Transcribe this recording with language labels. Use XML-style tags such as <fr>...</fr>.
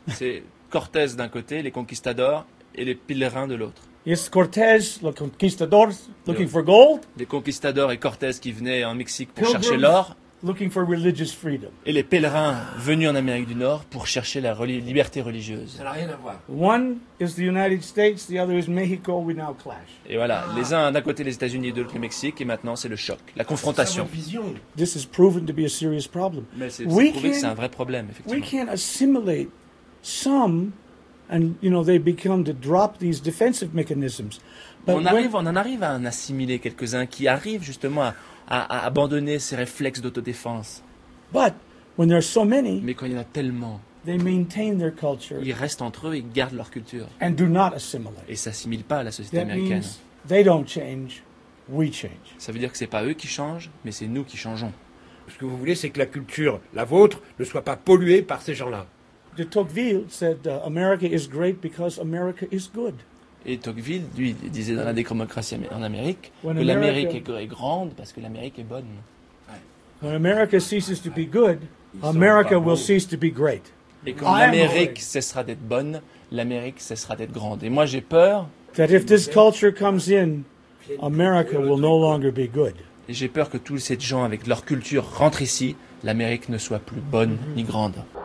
<fr>C'est Cortez d'un côté, les conquistadors, et les pèlerins de l'autre.</fr> <en>It's Cortez, los conquistadores, looking for gold.</en> <fr>Les conquistadors et Cortez qui venaient en Mexique pour chercher l'or.</fr> <en>Looking for religious freedom.</en> <fr>Et les pèlerins venus en Amérique du Nord pour chercher la liberté religieuse. Ça n'a rien à voir.</fr> <en>One is the United States, the other is Mexico. We now clash.</en> <fr>Et voilà, les uns d'un côté les États-Unis, de l'autre le Mexique, et maintenant c'est le choc, la confrontation. C'est une vision.</fr> <en>This has proven to be a serious problem.</en> <fr>Mais c'est prouvé que c'est un vrai problème, effectivement.</fr> <en>We can't assimilate some, and you know they begin to drop these defensive mechanisms.</en> <fr>But on en arrive à en assimiler quelques-uns qui arrivent justement à abandonner ses réflexes d'autodéfense.</fr> <en>But when there are so many,</en> <fr>mais quand il y en a tellement,</fr> <en>they maintain their culture.</en> <fr>Ils restent entre eux, ils gardent leur culture.</fr> <en>And do not assimilate.</en> <fr>Et s'assimilent pas à la société</fr> <en>that</en> <fr>américaine.</fr> <en>Means they don't change, we change.</en> <fr>Ça veut dire que c'est pas eux qui changent, mais c'est nous qui changeons. Ce que vous voulez, c'est que la culture, la vôtre, ne soit pas polluée par ces gens-là.</fr> <en>De Tocqueville said America is great because America is good.</en> <fr>Et Tocqueville, lui, disait dans la démocratie en Amérique que l'Amérique est grande parce que l'Amérique est bonne.</fr> <en>When America ceases to be good, America will cease to be great.</en> <fr>Et quand l'Amérique cessera d'être bonne, l'Amérique cessera d'être grande. Et moi, j'ai peur</fr> <en>that if this culture comes in, America will no longer be good.</en> <fr>Et j'ai peur que tous ces gens avec leur culture rentrent ici, l'Amérique ne soit plus bonne ni grande.</fr>